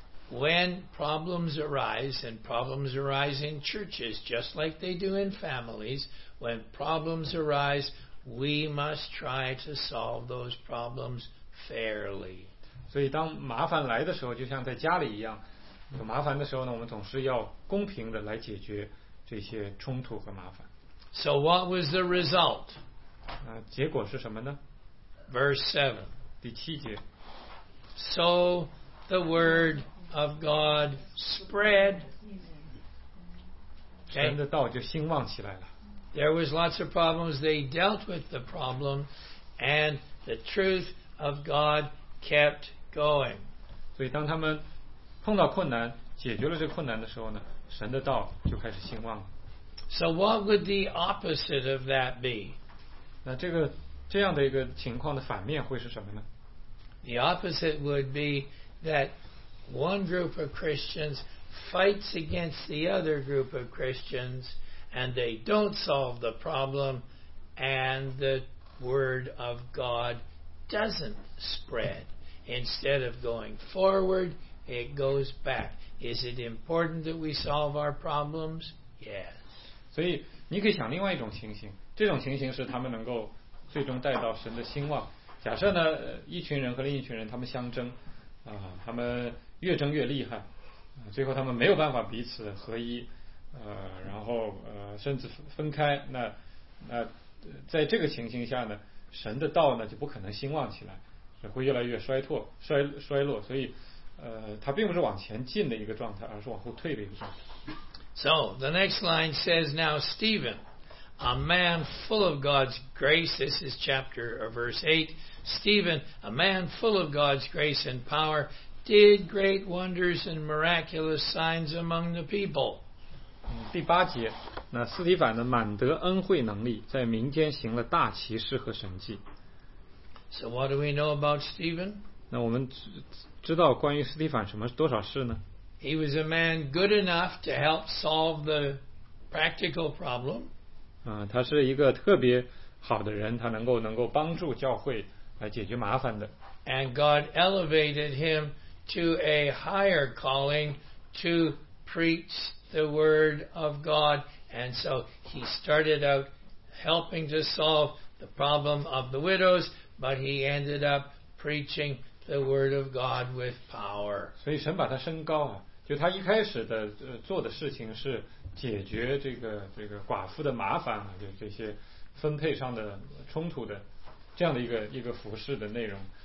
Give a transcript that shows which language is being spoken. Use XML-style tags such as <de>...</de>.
<en>When problems arise, and problems arise in churches, just like they do in families, when problems arise, we must try to solve those problems fairly.</en> <zh>所以当麻烦来的时候，就像在家里一样，有麻烦的时候呢，我们总是要公平的来解决这些冲突和麻烦。</zh> <en>So what was the result?</en> <zh>结果是什么呢？</zh> <en>Verse 7.</en> <zh>第七节。</zh> <en>So the word... Of God spread. Okay.</en> <zh>神的道就兴旺起来了。</zh> <en>There was lots of problems. They dealt with the problem, and the truth of God kept going.</en> <zh>所以当他们碰到困难，解决了这个困难的时候呢，神的道就开始兴旺了。</zh> <en>So what would the opposite of that be?</en> <zh>那这样的一个情况的反面会是什么呢？</zh> <en>The opposite would be that. One group of Christians fights against the other group of Christians and they don't solve the problem and the word of God doesn't spread. Instead of going forward, it goes back. Is it important that we solve our problems? Yes.</en> <zh>所以你可以想另外一种情形，这种情形是他们能够最终带到神的兴旺。假设呢，一群人和另一群人他们相争，他们越争越厉害，最后他们没有办法彼此合一，然后甚至分开。那在这个情形下呢，神的道呢就不可能兴旺起来，会越来越衰落。所以，它并不是往前进的一个状态，而是往后退的一个状态。</zh> <en>So the next line says, "Now Stephen, a man full of God's grace." This is chapter or verse 8. Stephen, a man full of God's grace and power. Did great wonders and miraculous signs among the people.</en> <zh>第八节，那斯提凡呢，满得恩惠能力，在民间行了大奇事和神迹。</zh> <en>So what do we know about Stephen?</en> <zh>那我们知道关于斯提凡什么多少事呢？</zh> <en>He was a man good enough to help solve the practical problem.</en> <zh>他是一个特别好的人，他能够帮助教会来解决麻烦的。</zh> <en>And God elevated him to a higher calling to preach the word of God. And so he started out helping to solve the problem of the widows, but he ended up preaching the word of God with power.</en> <zh>所以神把他升高啊，就他一开始的做的事情是解决这个寡妇的麻烦啊，就这些分配上的冲突的这样的一个服事的内容。</zh>